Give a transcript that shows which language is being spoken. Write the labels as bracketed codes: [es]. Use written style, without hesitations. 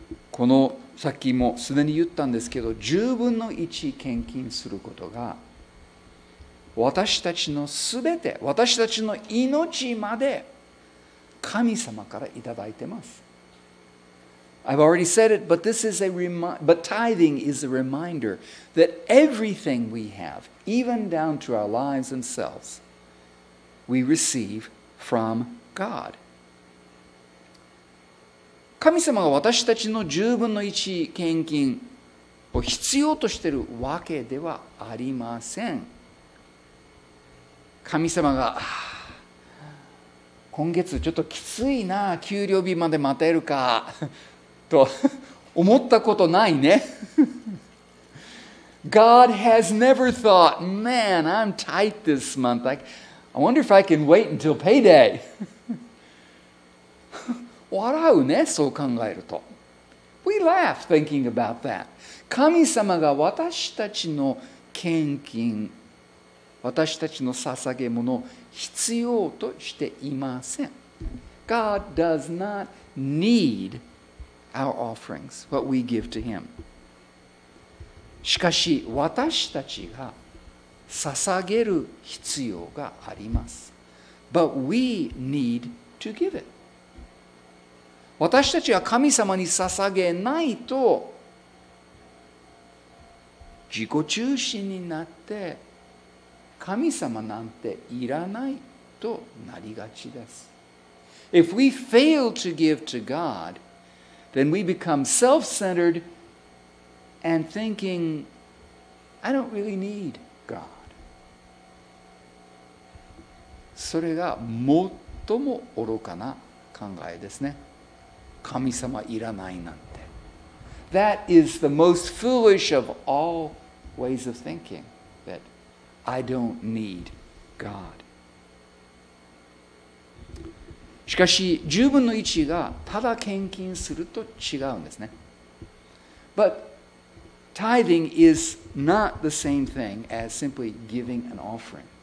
[ja] このさっきもすでに言ったんですけど、十分の一献金することが私たちのすべて、私たちの命まで神様からいただいてます。 [en] I've already said it, but this is a but tithing is a reminder that everything we have, even down to our lives and selves, we receive from God. [ja] 神様が私たちの十分の一献金を必要としているわけではありません。神様が、今月ちょっときついな、給料日まで待てるかと思ったことないね。 [en] God has never thought, man, I'm tight this month. Like, I wonder if I can wait until payday. [ja] 笑うね、そう考えると。 [en] We laugh thinking about that. [ja] 神様が私たちの献金、私たちの捧げ物を必要としていません。 [en] God does not need our offerings, what we give to Him. [ja] しかし、私たちが捧げる必要があります。 [en] But we need to give it. [ja] 私たちは神様に捧げないと自己中心になって神様なんていらないとなりがちです。 [en] If we fail to give to God, then we become self-centered and thinking, I don't really need God. [ja] それが最も愚かな考えですね。神様いらないなんて。 [en] That is the most foolish of all ways of thinking, that I don't need God. [ja] しかし、十分の一がただ献金すると違うんですね。 [en] But tithing is not the same thing as simply giving an offering.